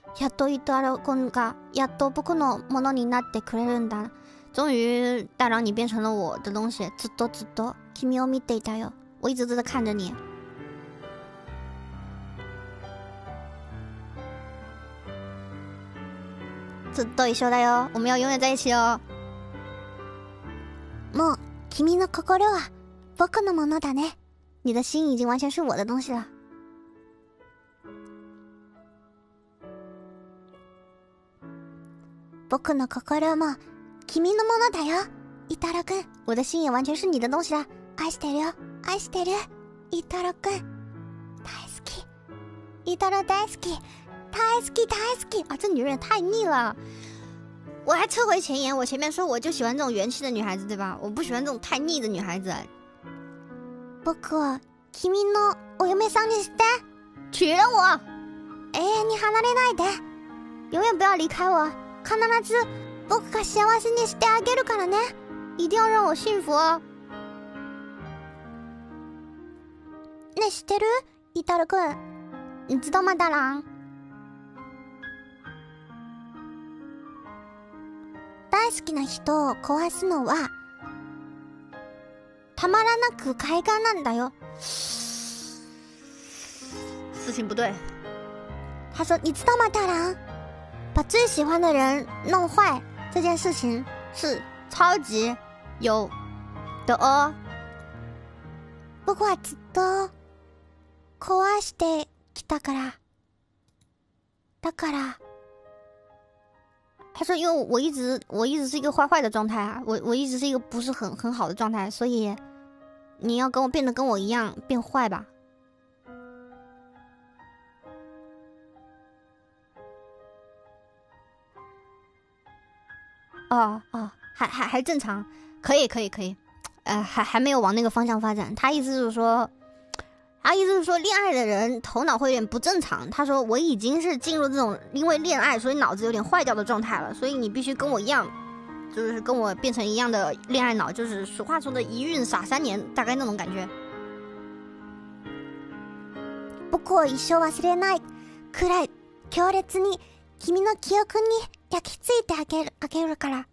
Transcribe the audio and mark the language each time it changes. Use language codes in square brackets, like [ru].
[ja] やっとイタロ君がやっと僕のものになってくれるんだ。 [zh] 终于大郎你变成了我的东西。 [ja] ずっとずっと君を見ていたよ。 [zh] 我一直在看着你。 [ja] ずっと一緒だよ。 [zh] 我们要永远在一起哦。 [ja] もう君の心は僕のものだね。 [zh] 你的心已经完全是我的东西了。 [ja] 僕の心も君のものだよ、イタロ君。 [zh] 我的心也完全是你的东西だ。 [ja] 愛してるよ、愛してる、イタロ君。大好き、イタロ大好き、大好き大好き。 [zh] 啊，这女人也太腻了。我还撤回前言，我前面说我就喜欢这种元气的女孩子，对吧？我不喜欢这种太腻的女孩子。 [ja] 僕は君のお嫁さんにして。 [zh] 娶了我。 [ja] 永遠に離れないで。 [zh] 永遠不要离开我。 [ja] 必ず僕が幸せにしてあげるからね。 [zh] 一定要让我幸福。 [ja] ね、知ってる？イタル君。 [zh] 你知道吗、大郎？ [ja] 大好きな人を壊すのはたまらなく快感なんだよ。 [zh] 事情不对。他说：“你知道吗、大郎？” 把最喜欢的人弄坏这件事情是超级有的哦。 [ja] 僕はずっと壊してきたから。だから。 [zh] 他说因为我一直是一个坏坏的状态啊，我一直是一个不是很好的状态，所以你要跟我变得跟我一样变坏吧。哦哦，还正常，可以，还没有往那个方向发展。他意思就是说，恋爱的人头脑会有点不正常。他说我已经是进入这种因为恋爱所以脑子有点坏掉的状态了，所以你必须跟我一样，就是跟我变成一样的恋爱脑，就是俗话说的一孕傻三年，大概那种感觉。 [ja] 不过一生忘れないくらい強烈に君の記憶に。焼き付いてあげるから。